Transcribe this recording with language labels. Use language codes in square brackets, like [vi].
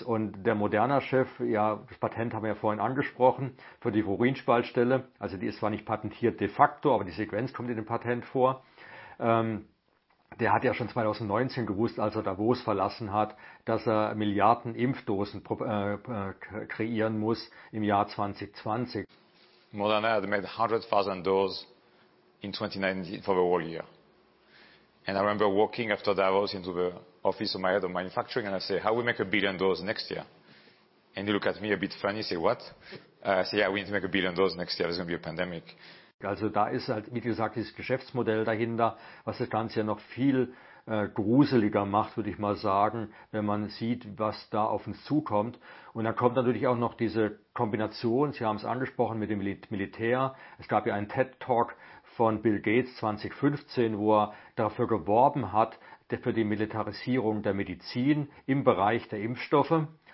[de] Und der Moderna-Chef, ja, das Patent haben wir ja vorhin angesprochen, für die Furinspaltstelle, also die ist zwar nicht patentiert de facto, aber die Sequenz kommt in dem Patent vor. Der hat ja schon 2019 gewusst, als er Davos verlassen hat, dass er Milliarden Impfdosen kreieren muss im Jahr 2020. [en] Moderna had made 100,000 doses in 2019 for the whole year. And I remember walking after Davos into the office of my head of manufacturing and I say, how we make a billion doses next year? And he looked at me a bit funny, say, what? I say, yeah, we need to make a billion doses next year, there's going to be a pandemic. [de] Also da ist halt, wie gesagt, dieses Geschäftsmodell dahinter, was das Ganze ja noch viel gruseliger macht, würde ich mal sagen, wenn man sieht, was da auf uns zukommt. Und dann kommt natürlich auch noch diese Kombination, Sie haben es angesprochen, mit dem Militär. Es gab ja einen TED-Talk von Bill Gates 2015, wo er dafür geworben hat, für die Militarisierung der Medizin im Bereich der Impfstoffe.